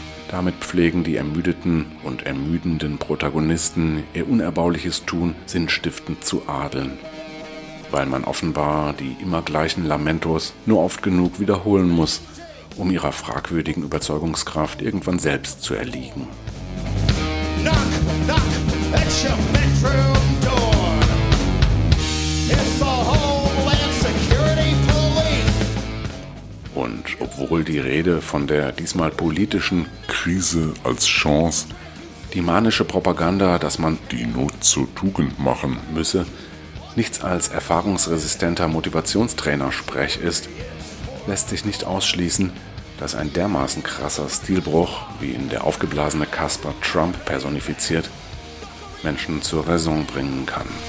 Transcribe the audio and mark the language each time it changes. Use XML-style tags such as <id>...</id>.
<de>Damit pflegen die ermüdeten und ermüdenden Protagonisten ihr unerbauliches Tun sinnstiftend zu adeln. Weil man offenbar die immer gleichen Lamentos nur oft genug wiederholen muss, um ihrer fragwürdigen Überzeugungskraft irgendwann selbst zu erliegen.</de> <en>Knock, knock, at your bedroom door. It's the Homeland Security Police.</en> <de>Und obwohl die Rede von der diesmal politischen Krise als Chance, die manische Propaganda, dass man die Not zur Tugend machen müsse, nichts als erfahrungsresistenter Motivationstrainer-Sprech ist, lässt sich nicht ausschließen, dass ein dermaßen krasser Stilbruch, wie ihn der aufgeblasene Kasper Trump personifiziert, Menschen zur Raison bringen kann.</de>